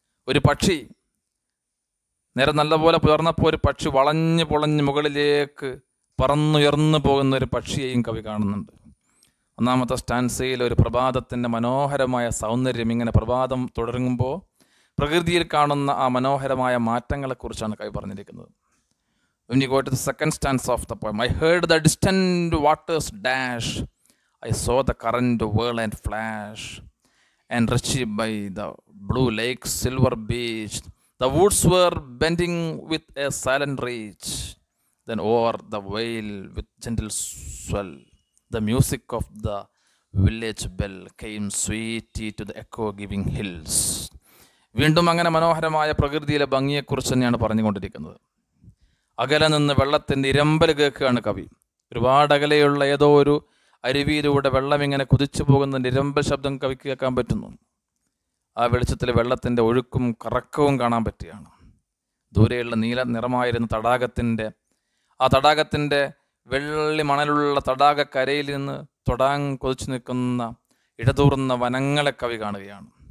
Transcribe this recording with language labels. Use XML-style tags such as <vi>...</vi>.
<ml>ഒരു പക്ഷി നേരെ നല്ലപോലെ പുലർന്നപ്പോൾ ഒരു പക്ഷി വളഞ്ഞു പുളഞ്ഞ് മുകളിലേക്ക് പറന്നുയർന്നു പോകുന്ന ഒരു പക്ഷിയെയും കവി കാണുന്നുണ്ട്. ഒന്നാമത്തെ സ്റ്റാൻസയിൽ ഒരു പ്രഭാതത്തിൻ്റെ മനോഹരമായ സൗന്ദര്യം, ഇങ്ങനെ പ്രഭാതം തുടരുമ്പോൾ പ്രകൃതിയിൽ കാണുന്ന ആ മനോഹരമായ മാറ്റങ്ങളെക്കുറിച്ചാണ് കവി പറഞ്ഞിരിക്കുന്നത്.</ml> <en>When you go to the second stanza of the poem, I heard the distant waters dash, I saw the current whirl and flash, and reached by the blue lake's silver beach, the woods were bending with a silent reach, then over the vale with gentle swell, the music of the village bell came sweetly to the echo-giving hills.</en> <ml>വീണ്ടും അങ്ങനെ മനോഹരമായ പ്രകൃതിയിലെ ഭംഗിയെക്കുറിച്ച് തന്നെയാണ് പറഞ്ഞുകൊണ്ടിരിക്കുന്നത്. അകലെ നിന്ന് വെള്ളത്തിൻ്റെ ഇരമ്പൽ കേൾക്കുകയാണ് കവി. ഒരുപാട് അകലെയുള്ള ഏതോ ഒരു അരുവിയിലൂടെ വെള്ളം ഇങ്ങനെ കുതിച്ചു പോകുന്നതിൻ്റെ ഇരമ്പൽ ശബ്ദം കവിക്ക് കേൾക്കാൻ പറ്റുന്നു. ആ വെളിച്ചത്തിൽ വെള്ളത്തിൻ്റെ ഒഴുക്കും കറക്കവും കാണാൻ പറ്റുകയാണ്. ദൂരെയുള്ള നീല നിറമായിരുന്ന തടാകത്തിൻ്റെ, ആ തടാകത്തിൻ്റെ വെള്ളി മണലുള്ള തടാകക്കരയിൽ നിന്ന് തൊടാൻ കൊതിച്ചു നിൽക്കുന്ന ഇടതൂർന്ന വനങ്ങളെ കവി കാണുകയാണ്.</ml>